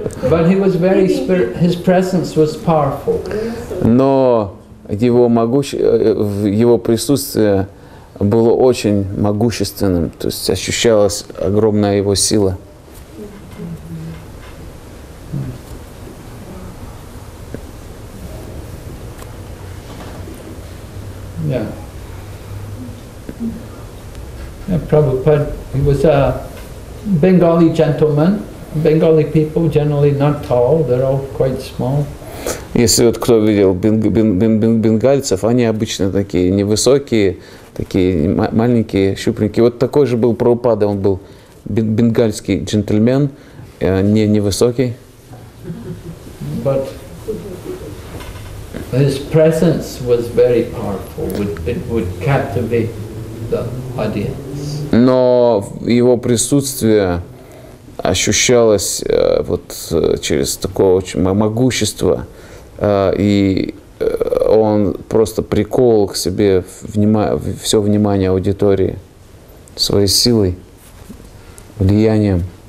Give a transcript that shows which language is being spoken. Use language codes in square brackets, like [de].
[en] But he was very his presence was powerful. [ru] Но его его присутствие было очень могущественным, то есть ощущалась огромная его сила. [en] Prabhupada, he was a Bengali gentleman. Bengali people generally not tall, they're all quite small. [ru] Если вот кто видел бенгальцев, они обычно такие невысокие, такие маленькие, щупленькие. Вот такой же был Прабхупада, он был бенгальский джентльмен, невысокий. [en] But his presence was very powerful, it would captivate the audience. [ru] Но его присутствие ощущалось вот через такое очень могущество, и он просто приковал к себе все внимание аудитории своей силой, влиянием.